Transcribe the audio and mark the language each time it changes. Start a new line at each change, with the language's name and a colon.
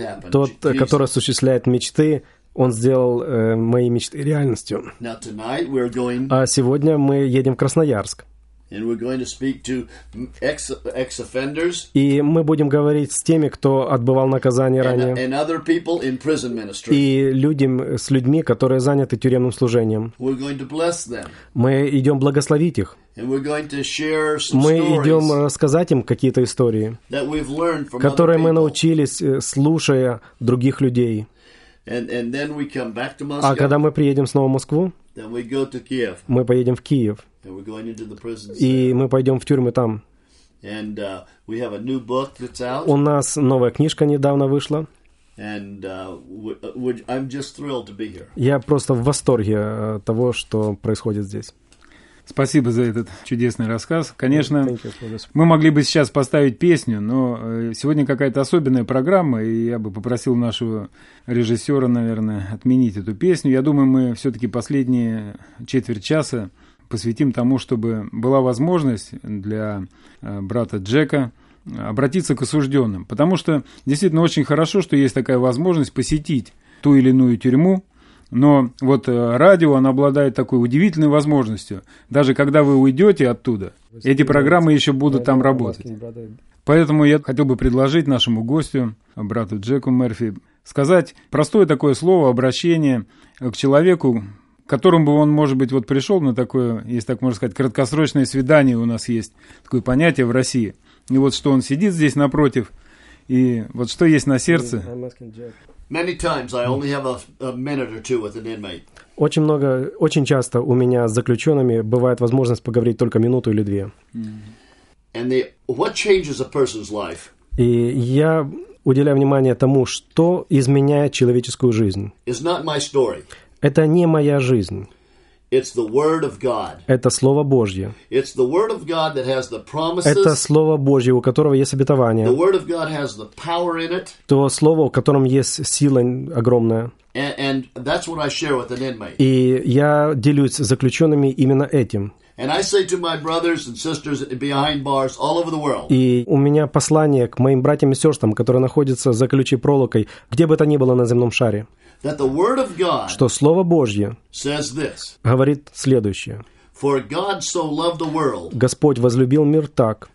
Russian: Тот, который осуществляет мечты, он сделал мои мечты реальностью. А сегодня мы едем в Красноярск.
English: And we're going to speak to ex-offenders.
Russian: И мы будем говорить с теми, кто отбывал наказание ранее.
English: And other people in prison ministry.
Russian: И людям, с людьми, которые заняты тюремным служением.
English: We're going to bless them.
Russian: Мы идем благословить их.
English: And we're going to share some stories.
Russian: Мы идем рассказать им какие-то истории,
English: that we've learned from
Russian: которые
English: other people.
Russian: Мы научились, слушая других людей.
English: And then we come back to Moscow.
Russian: А когда мы приедем снова в Москву,
English: then we go to Kiev.
Russian: Мы поедем в Киев.
English: And we're going into the prisons
Russian: и мы пойдем в тюрьмы там.
English: And, we have a new book that's out.
Russian: У нас новая книжка недавно вышла.
English: And, I'm just thrilled to be here.
Russian: Я просто в восторге от того, что происходит здесь. Спасибо за этот чудесный рассказ. Конечно, мы могли бы сейчас поставить песню, но сегодня какая-то особенная программа, и я бы попросил нашего режиссера, наверное, отменить эту песню. Я думаю, мы все-таки последние четверть часа посвятим тому, чтобы была возможность для брата Джека обратиться к осужденным. Потому что действительно очень хорошо, что есть такая возможность посетить ту или иную тюрьму. Но вот радио, оно обладает такой удивительной возможностью. Даже когда вы уйдете оттуда, эти программы еще будут там работать. Поэтому я хотел бы предложить нашему гостю, брату Джеку Мерфи, сказать простое такое слово, обращение к человеку, к которому бы он, может быть, вот пришел на такое, если так можно сказать, краткосрочное свидание. У нас есть такое понятие в России. И вот что он сидит здесь напротив, и вот что есть на сердце.
English: Many times I only have a minute or two with an inmate.
Russian: Очень много, очень часто у меня с заключенными бывает возможность поговорить только минуту или две.
English: And they, what changes a person's life?
Russian: И я уделяю внимание тому, что изменяет человеческую жизнь.
English: It's not my story.
Russian: Это не моя жизнь.
English: It's the word of God.
Russian: Это Слово Божье.
English: It's the word of God that has the promises.
Russian: Это Слово Божье, у которого есть обетование.
English: The word of God has the power in it.
Russian: То Слово, у котором есть сила огромная.
English: And that's what I share with an inmate.
Russian: И я делюсь с заключенными именно этим.
English: And I say to my brothers and sisters behind bars all over the world.
Russian: И у меня послание к моим братьям и сестрам, которые находятся за колючей проволокой, где бы то ни было на земном шаре.
English: That the word of God
Russian: что Слово Божье
English: says this,
Russian: говорит следующее.
English: For God so loved the world,
Russian: Господь возлюбил мир так,